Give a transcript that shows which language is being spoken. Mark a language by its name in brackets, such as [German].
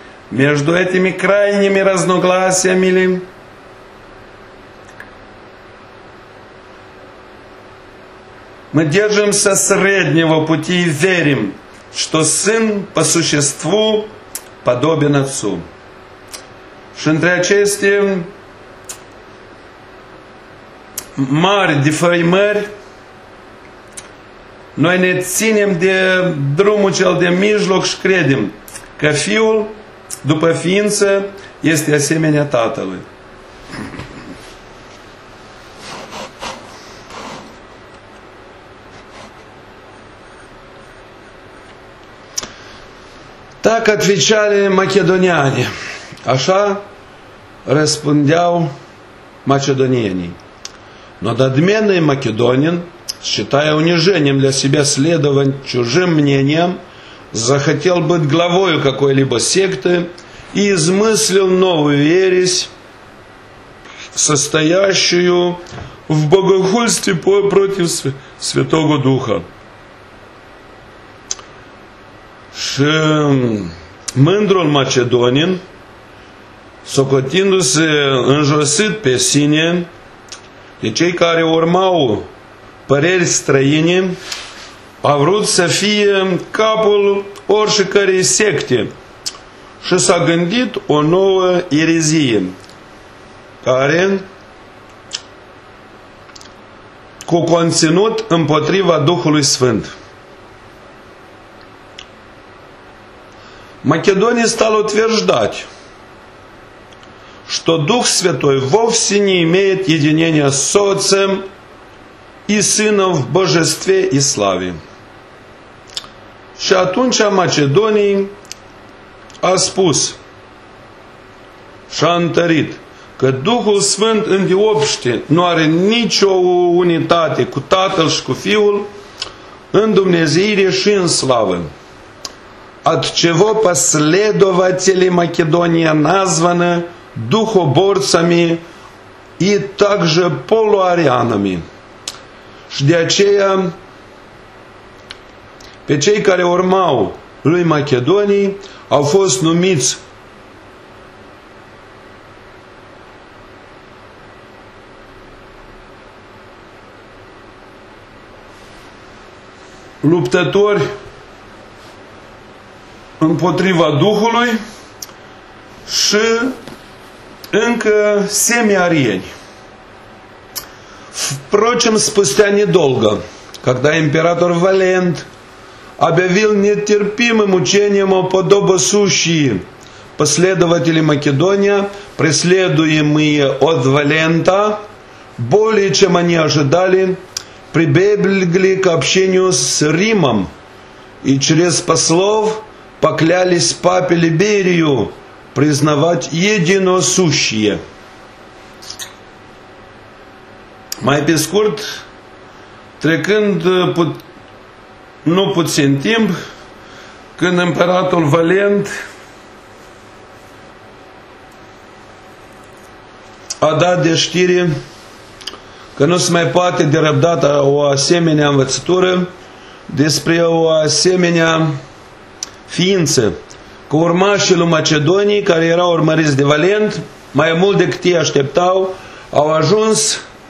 [Russian] Между этими крайними разногласиями ли, мы держимся среднего пути и верим, что сын по существу подобен отцу. [Romanian] Și între aceste mari defăimări, noi ne ținem de drumul cel de mijloc și credem că fiul, după ființă, este asemenea tatălui. [Russian] Так отвечали македоняне. [Romanian] Аша распундял македонияне. [Russian] Но надменный македонин, считая унижением для себя следовать чужим мнениям, захотел быть главою какой-либо секты и измыслил новую ересь, состоящую в богохульстве против Святого Духа. [Romanian] Și mândrul macedonin, socotindu-se înjosit pe sine de cei care urmau păreri străine, a vrut să fie capul oricărei secte și s-a gândit o nouă erezie care cu conținut împotriva Duhului Sfânt. [Russian] Македоний стал утверждать, что Дух Святой вовсе не имеет единения с Отцем и Сыном в Божестве и Славе. [Romanian] Și atunci Македоний a spus și a întărit că Duhul Sfânt îndeopște nu are nicio unitate cu Tatăl și cu Fiul în Dumnezeire și în Slavă. [Russian] От чего последователи Македония названы духоборцами и также полуарианами. [Romanian] Și de aceea, pe cei care urmau lui Macedonii, au fost numiți luptători împotriva Duhului și încă semi-arieni. [Russian] Впрочем, спустя недолго, когда император Валент объявил нетерпимым учением о подобосущие последователи Македония, преследуемые от Валента, более чем они ожидали, прибегли к общению с Римом и через послов поклялись папе Либерию признавать единосущие. [Romanian] Mai pe scurt, trecând nu puțin timp, când împăratul Valent a dat de știre că nu se mai poate de răbdat o asemenea învățătură despre o asemenea ființă, că urmașii lui Macedonii, care erau urmăriți de Valent, mai mult decât ei așteptau, au ajuns